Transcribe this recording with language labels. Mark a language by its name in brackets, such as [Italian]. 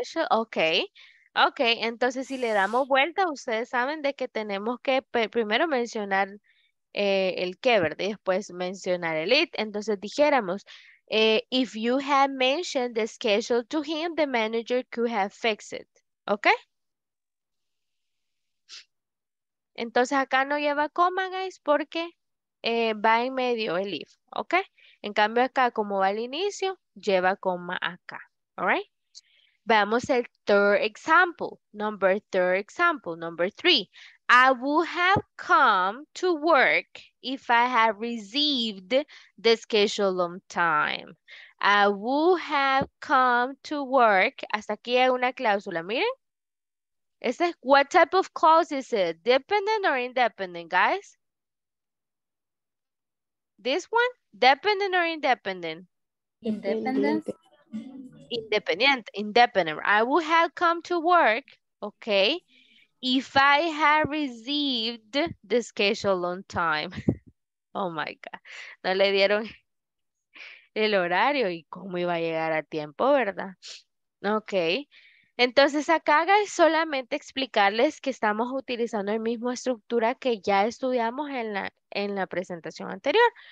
[Spanish] Ok, entonces si le damos vuelta, ustedes saben de que tenemos que primero mencionar el que, ¿verdad? Y después mencionar el it. Entonces dijéramos, [English] if you had mentioned the schedule to him, the manager could have fixed it. Ok. [Spanish] Entonces acá no lleva coma, guys, porque va en medio el if. Ok. En cambio acá, como va al inicio, lleva coma acá. [English] All right. [Spanish] Veamos el [English] third example. Number third example. Number three. I would have come to work if I had received the schedule on time. I would have come to work. [Spanish] Hasta aquí hay una cláusula. [English] Miren. What type of clause is it? Dependent or independent, guys? This one? Dependent or independent? Independent. Independent. Independent. I would have come to work, okay, if I had received the schedule on time. Oh, my God. [Spanish] No le dieron el horario y cómo iba a llegar a tiempo, ¿verdad? Okay. Entonces, acá es solamente explicarles que estamos utilizando la misma estructura que ya estudiamos en la presentación anterior.